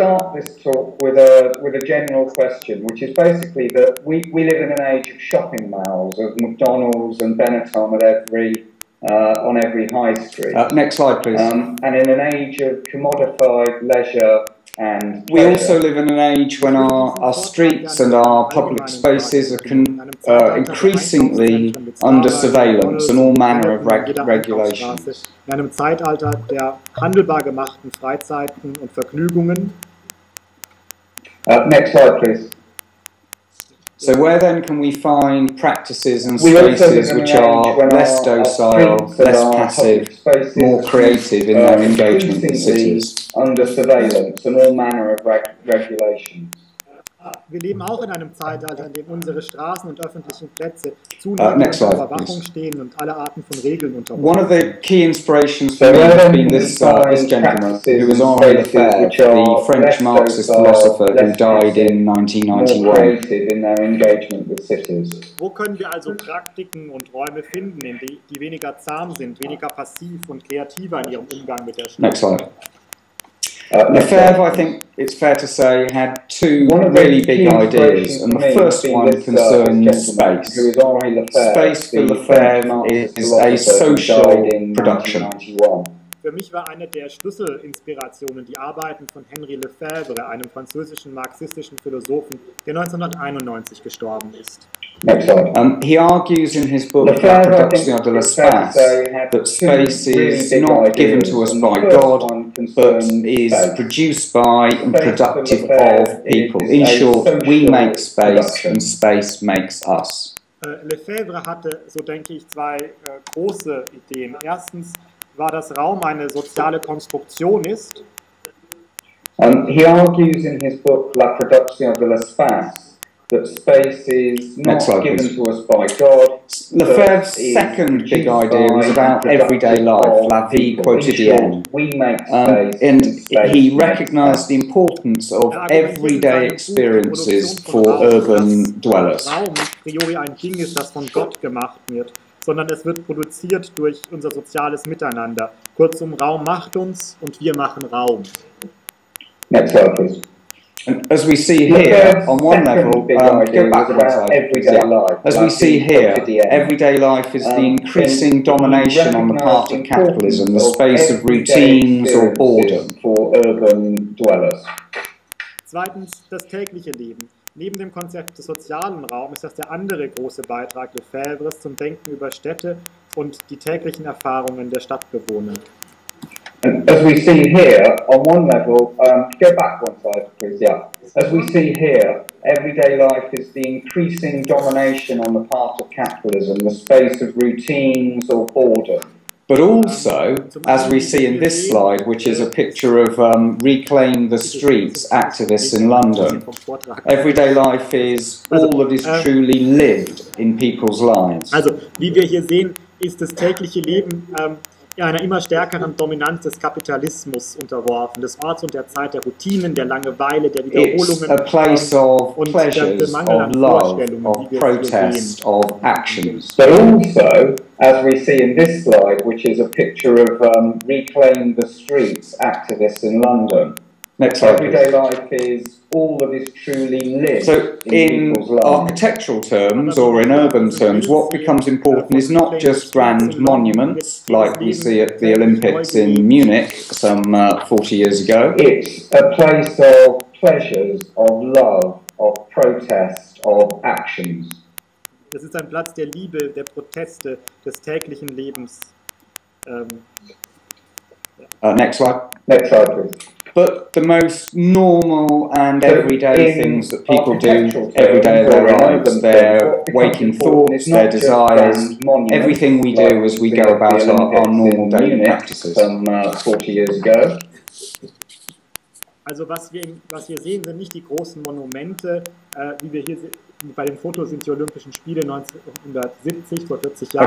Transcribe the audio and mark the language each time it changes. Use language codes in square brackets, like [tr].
[en] start this talk with a general question, which is basically that we live in an age of shopping malls, of McDonald's and Benetton at every high street. Next slide, please. And in an age of commodified leisure and pleasure. We also live in an age when our streets and our public spaces are increasingly under surveillance and all manner of regulations. [de] In einem Zeitalter der handelbar gemachten Freizeiten und Vergnügungen. [en] Next slide, please. So where then can we find practices and spaces which are less docile, less passive, more creative in their engagement in cities? Under surveillance and all manner of regulations. [de] Wir leben auch in einem Zeitalter, in dem unsere Straßen und öffentlichen Plätze zunehmend unter Überwachung stehen und alle Arten von Regeln unterworfen. [en] One of the key inspirations for me has been this gentleman, who was Henri Lefebvre, the French Marxist philosopher who died in 1991. [de] Wo können wir also Praktiken und Räume finden, in die weniger zahm sind, weniger passiv und kreativer in ihrem Umgang mit der Stadt? [en] Next slide. Lefebvre, I think it's fair to say, had two really big ideas, and the first one concerns space. Space for Lefebvre is a social production. [de] Für mich war eine der Schlüsselinspirationen die Arbeiten von Henri Lefebvre, einem französischen marxistischen Philosophen, der 1991 gestorben ist. [en] He argues in his book, La Production de l'Espace, that space is not given to us by God, but is produced by and productive of people. In short, we make space and space makes us. [de] Lefebvre hatte, so denke ich, zwei große Ideen. Erstens, war das Raum eine soziale Konstruktion ist. [en] He argues in his book La Production de l'Espace that space is not given to us by God. Lefebvre's second big idea was about everyday life, [fr] la vie quotidienne. [en] We make space, and he recognized the importance of everyday experiences for urban dwellers. [de] Raum a priori ein Ding ist, das von Gott gemacht wird, sondern es wird produziert durch unser soziales Miteinander. Kurzum, Raum macht uns und wir machen Raum. [en] Next slide, please. And as we see here, on one level, go back one side, as we see here, everyday life is the increasing domination on the part of capitalism, the space of routines or boredom. For urban dwellers. [de] Zweitens, das tägliche Leben. Neben dem Konzept des sozialen Raums ist das der andere große Beitrag Lefebvres zum Denken über Städte und die täglichen Erfahrungen der Stadtbewohner. [en] And as we see here, on one level, go back one slide, please, yeah. As we see here, everyday life is the increasing domination on the part of capitalism, the space of routines or boredom. But also, as we see in this slide, which is a picture of Reclaim the Streets activists in London, everyday life is all that is truly lived in people's lives. [de] Also, wie wir hier sehen, ist das tägliche Leben einer immer stärkeren Dominanz des Kapitalismus unterworfen, des Orts und der Zeit, der Routinen, der Langeweile, der Wiederholungen. [en] It's a place of pleasures, of love, of protest, of actions. But also, as we see in this slide, which is a picture of Reclaim the Streets activists in London. Next slide, everyday life is all that is truly lived. So in architectural terms or in urban terms, what becomes important is not just grand monuments like we see at the Olympics in Munich some 40 years ago. It's a place of pleasures, of love, of protest, of actions. [de] Das ist ein Platz der Liebe, der Proteste, des täglichen Lebens. [en] Next slide. Next slide, please. But the most normal and everyday things that people do every day of their lives, their waking thoughts, their desires, everything we do as we go about our normal daily practices. Some 40 years ago. [de] Also was wir sehen, sind nicht die großen Monumente, wie wir hier bei dem Foto sind die Olympischen Spiele 1970, vor 40 Jahren